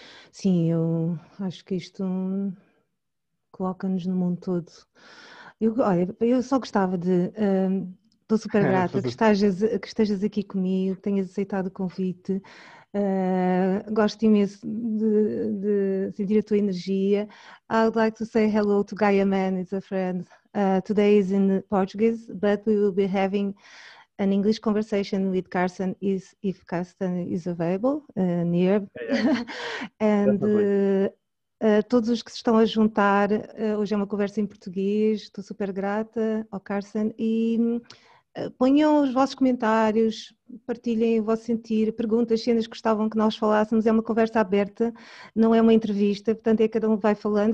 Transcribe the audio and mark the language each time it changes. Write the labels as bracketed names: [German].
[Portuguese] Sim, eu acho que isto coloca-nos no mundo todo. Olha, eu só gostava de. Estou super grata que estejas aqui comigo, que tenhas aceitado o convite. Gosto imenso de sentir a tua energia. [English] I would like to say hello to Gaia Man, it's a friend. Today is in Portuguese, but we will be having an English conversation with Carson is if Carson is available near. And Definitely. [Portuguese] todos os que se estão a juntar, hoje é uma conversa em português, estou super grata ao Carson. E ponham os vossos comentários, partilhem o vosso sentir, perguntas, cenas que gostavam que nós falássemos. É uma conversa aberta, não é uma entrevista, portanto é cada um vai falando.